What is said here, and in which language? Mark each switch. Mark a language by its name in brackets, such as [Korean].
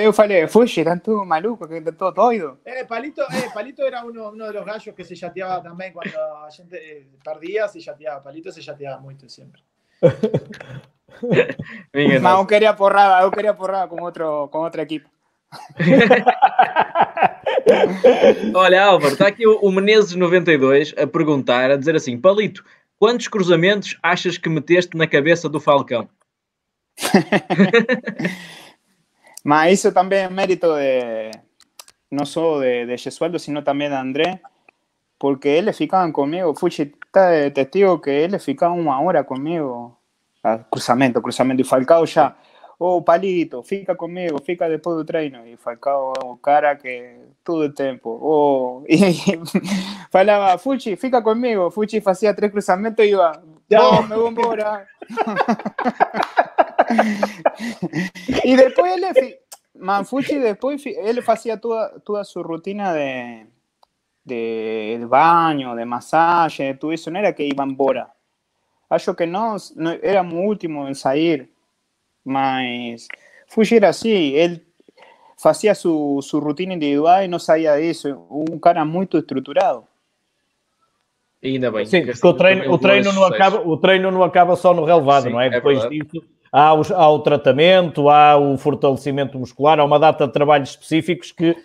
[Spanish] Yo falé, Fuchi, están todos malucos, que están todos doidos. Palito era uno de los gallos que se yateaba también cuando la gente perdía, se yateaba. Palito se yateaba mucho siempre. Más aún quería porrada, aún quería porrada con otro equipo. [Portuguese] Olha, Álvaro, está aqui o Menezes 92 a perguntar, a dizer assim: Palito, quantos cruzamentos achas que meteste na cabeça do Falcão? Mas isso também é mérito de não só de Gesualdo, sino também de André, porque eles ficavam comigo. Fuchi está de testigo que eles ficavam uma hora comigo cruzamento, e Falcão já. [Spanish] Oh, Palito, fica conmigo, fica después del treino. Y Falcao, cara que todo el tiempo. Oh, y falaba, Fuchi, fica conmigo. Fuchi hacía 3 cruzamientos y iba, ya, oh, me voy embora. Y después él, Fuchi, después él hacía toda su rutina de baño, de masaje, de todo eso. No era que iba embora. [Portuguese] Acho que [Spanish] no éramos últimos en salir. Mas Fuchi era así, él hacía su rutina individual y no sabía de eso, un cara muy estructurado. [Portuguese] Y ainda bem, sí, que o treino no acaba só no relevado, sí, não é? Depois disso, há o tratamento, há o fortalecimiento muscular, há [Spanish] una data de trabajos específicos [Portuguese] que